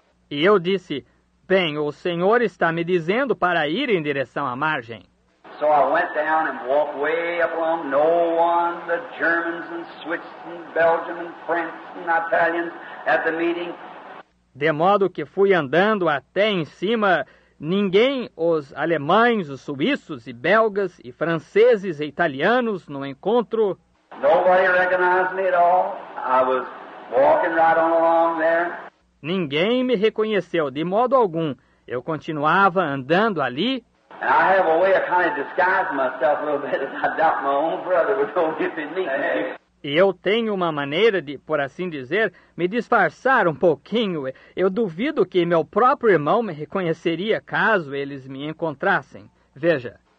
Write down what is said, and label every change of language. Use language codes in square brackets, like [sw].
[pt] E eu disse, bem, o senhor está me dizendo para ir em direção à margem. [en] So I went down and walked way up along, no one, the Germans and Swiss and Belgium and France and Italians at the meeting. [pt] De modo que fui andando até em cima, ninguém, os alemães, os suíços e belgas e franceses e italianos no encontro. [en] Nobody recognized me at all. I was walking right on along there. [pt] Ninguém me reconheceu de modo algum. Eu continuava andando ali. [en] And I have a way of kind of disguising myself a little bit, as I doubt my own brother would know if he'd meet me. [pt] E eu tenho uma maneira de, por assim dizer, me disfarçar um pouquinho. Eu duvido que meu próprio irmão me reconheceria caso eles me encontrassem. Veja.